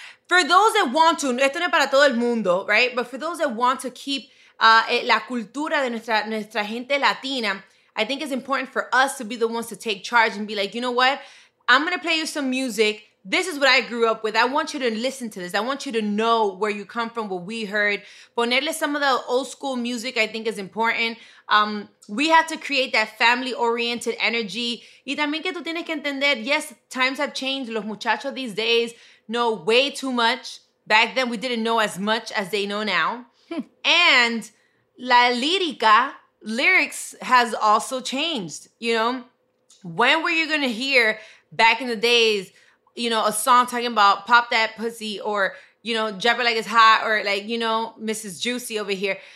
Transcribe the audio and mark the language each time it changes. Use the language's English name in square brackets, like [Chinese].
[English] For those that want to, [Spanish] esto no es para todo el mundo, [English] right? But for those that want to keep [Spanish] la cultura de nuestra gente latina, [English] I think it's important for us to be the ones to take charge and be like, you know what? I'm going to play you some music. This is what I grew up with. I want you to listen to this. I want you to know where you come from, what we heard. [Spanish] Ponerle [English] some of the old school music, I think, is important. We have to create that family-oriented energy. [Spanish] Y también que tú tienes que entender, [English] yes, times have changed. [Spanish] Los muchachos [English] these days know way too much. Back then, we didn't know as much as they know now. And [Spanish] la lírica, [English] lyrics, has also changed, you know? When were you going to hear, back in the days, you know, a song talking about pop that pussy, or, you know, jabber like it's hot, or, like, you know, Mrs. Juicy over here.